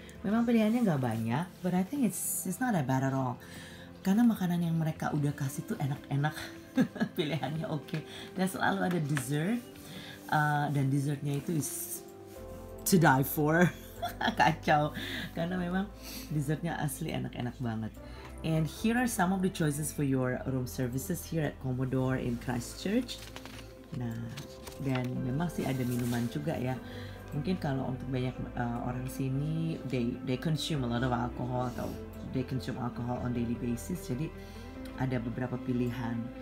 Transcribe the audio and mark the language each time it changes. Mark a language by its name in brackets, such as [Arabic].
[Indonesian] Memang pilihannya nggak banyak, [English] but I think it's not that bad at all. [Indonesian] Karena makanan yang mereka udah kasih tuh enak-enak, pilihannya oke. Dan selalu ada dessert, dan dessertnya itu [English] is to die for. [Indonesian] Kacau, karena memang dessertnya asli enak-enak banget. [English] And here are some of the choices for your room services here at Commodore in Christchurch. [Indonesian] Nah, dan memang sih ada minuman juga ya. Mungkin kalau untuk banyak orang sini, [English] they consume a lot of alcohol atau they consume alcohol on daily basis. [Indonesian] Jadi ada beberapa pilihan.